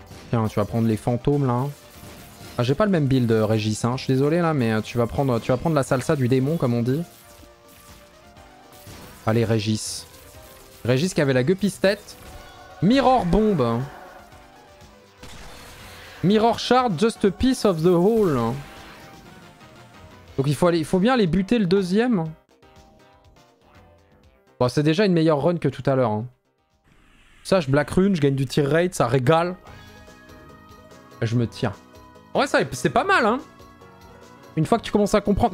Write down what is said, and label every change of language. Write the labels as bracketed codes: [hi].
[fr] Tiens, tu vas prendre les fantômes là. Ah, j'ai pas le même build Régis, hein. Je suis désolé là, mais tu vas prendre la salsa du démon comme on dit. Allez Régis. Régis qui avait la guepistette. Mirror bombe. [en] Mirror Shard, just a piece of the hole. [fr] Donc il faut bien aller buter le deuxième. Bon, c'est déjà une meilleure run que tout à l'heure. Hein. Ça, je black rune, je gagne du tir rate, ça régale. Et je me tiens. Ouais, ça, c'est pas mal, hein. Une fois que tu commences à comprendre...